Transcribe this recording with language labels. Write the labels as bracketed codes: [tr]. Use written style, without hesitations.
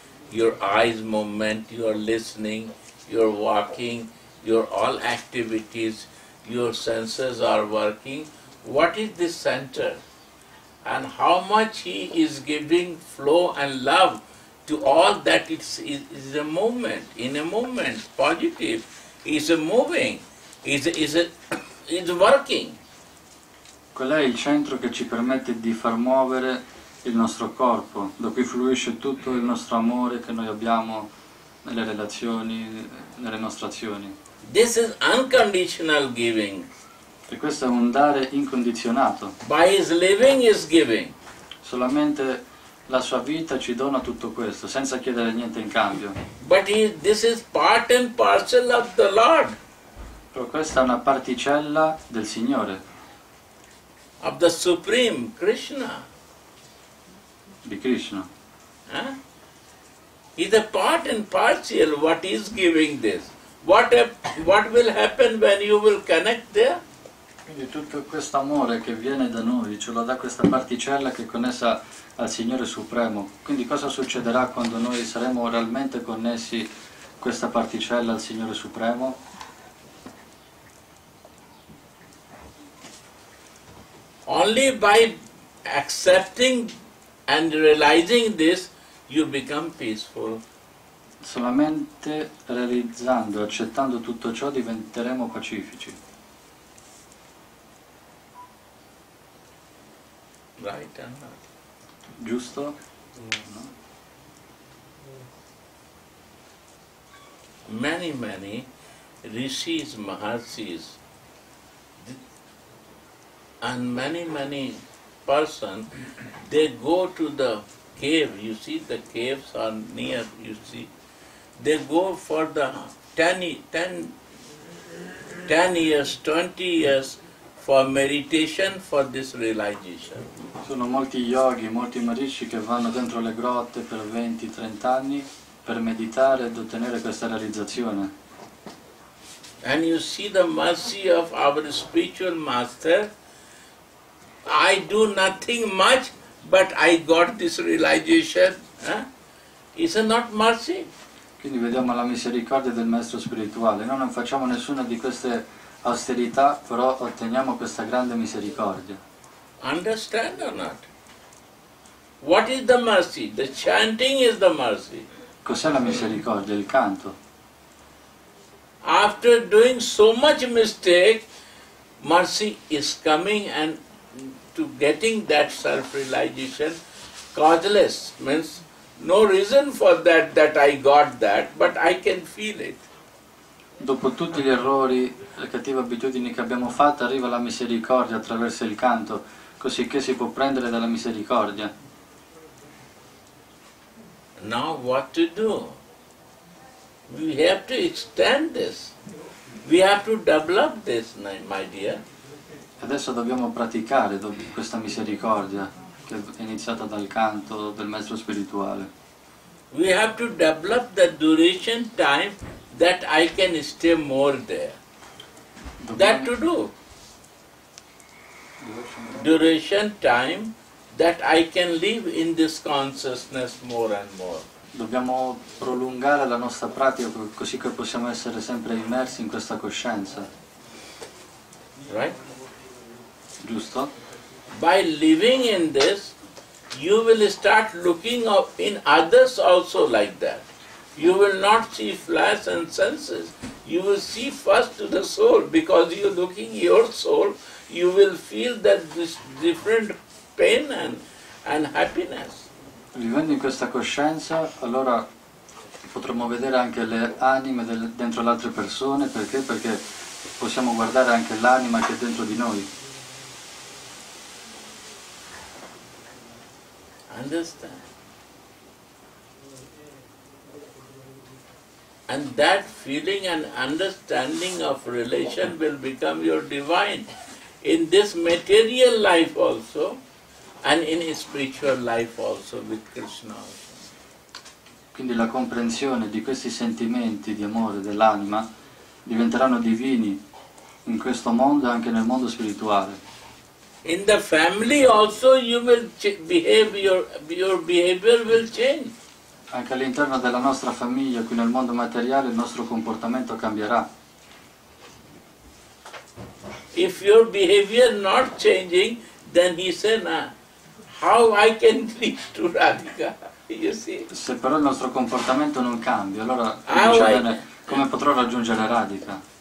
[en] Your eyes movement, your listening, your walking, your all activities, your senses are working. What is this center? And how much he is giving flow and love to all that is a movement, in a movement, positive, is moving, is working. [it] Qual è il centro che ci permette di far muovere il nostro corpo, da cui fluisce tutto il nostro amore che noi abbiamo nelle relazioni, nelle nostre azioni. [en] This is unconditional giving. [it] E questo è un dare incondizionato. [en] By his living is giving. [it] Solamente la sua vita ci dona tutto questo, senza chiedere niente in cambio. [en] But this is part and parcel of the Lord. [it] Però questa è una particella del Signore. [en] Of the Supreme Krishna. [it] Di Krishna. Eh? [en] It's a part and parcel what is giving this. What will happen when you will connect there? [it] Quindi tutto questo amore che viene da noi, ce lo dà questa particella che è connessa al Signore Supremo. Quindi cosa succederà quando noi saremo realmente connessi questa particella al Signore Supremo? [en] Only by accepting and realizing this you become peaceful. [it] Solamente realizzando, accettando tutto ciò diventeremo pacifici. [en] Right and not. [it] Giusto? No. [en] Many, many rishis, maharshis and many, many persons, they go to the cave. You see, the caves are near, you see. They go for the 10 years, 20 years for meditation, for this realization. [it] Sono molti yogi, molti maharishi che vanno dentro le grotte per 20-30 anni per meditare ed ottenere questa realizzazione. [en] And you see the mercy of our spiritual master. I do nothing much, but I got this realization. Eh? Is it not mercy? [it] Quindi vediamo la misericordia del maestro spirituale. Noi non facciamo nessuna di queste austerità, però otteniamo questa grande misericordia. [en] Understand or not? What is the mercy? The chanting is the mercy. [it] Cos'è la misericordia? Il canto. [en] After doing so much mistake, mercy is coming and to getting that self-realization causeless, means no reason for that I got that, but I can feel it. [it] Dopo tutti gli errori, le cattive abitudini che abbiamo fatto, arriva la misericordia attraverso il canto, così che si può prendere dalla misericordia. [en] Now what to do? We have to extend this. We have to develop this, my dear. [it] Adesso dobbiamo praticare questa misericordia che è iniziata dal canto del maestro spirituale. [en] We have to develop the duration time that I can stay more there. That to do. Duration time that I can live in this consciousness more and more. [it] Dobbiamo prolungare la nostra pratica così che possiamo essere sempre immersi in questa coscienza. [en] Right? [it] Giusto? [en] By living in this, you will start looking up in others also like that. You will not see flesh and senses. You will see first to the soul, because you looking your soul, you will feel that this different pain and happiness. [it] Vivendo in questa coscienza, allora potremo vedere anche le anime dentro le altre persone. Perché? Perché possiamo guardare anche l'anima che è dentro di noi. [en] Understand. And that feeling and understanding of relation will become your divine in this material life also and in spiritual life also with Krishna also. [it] Quindi la comprensione di questi sentimenti di amore dell'anima diventeranno divini in questo mondo e anche nel mondo spirituale. [en] In the family also you will behave, your behavior will change. [it] Anche all'interno della nostra famiglia, qui nel mondo materiale, il nostro comportamento cambierà. [en] If your behavior not changing, then he say, how I can reach to Radhika? You see? [it] Se però il nostro comportamento non cambia, allora come potrò raggiungere Radhika?